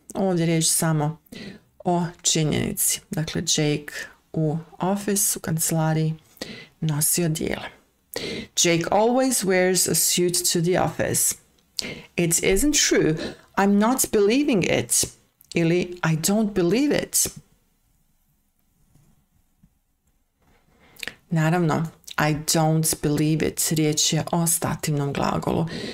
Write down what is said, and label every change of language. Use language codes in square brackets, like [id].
[bs] Ovdje riječ samo o činjenici. Dakle, Jake u office, u kancelariji, nosi odijelo. [en] Jake always wears a suit to the office. It isn't true. I'm not believing it. [bs] Ili, [en] I don't believe it. [bs] Naravno, [en] I don't believe it. [bs] Riječ je o stativnom glagolu.